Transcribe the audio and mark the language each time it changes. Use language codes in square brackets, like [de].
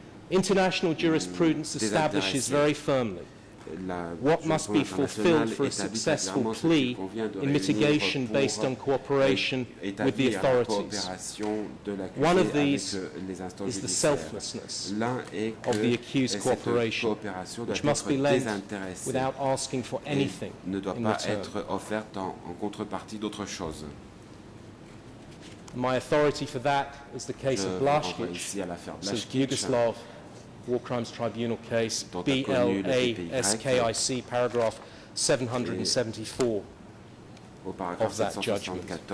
[en] International jurisprudence establishes very firmly what must be fulfilled for a successful plea in mitigation based on cooperation with the authorities. One of these is the selflessness of the accused cooperation, which must be lent without asking for anything [fr] ne doit pas être offerte en contrepartie d'autre chose. [en] My authority for that is the case of Blaškić, Yugoslav War Crimes Tribunal case, BLASKIC, paragraph 774 of that judgment.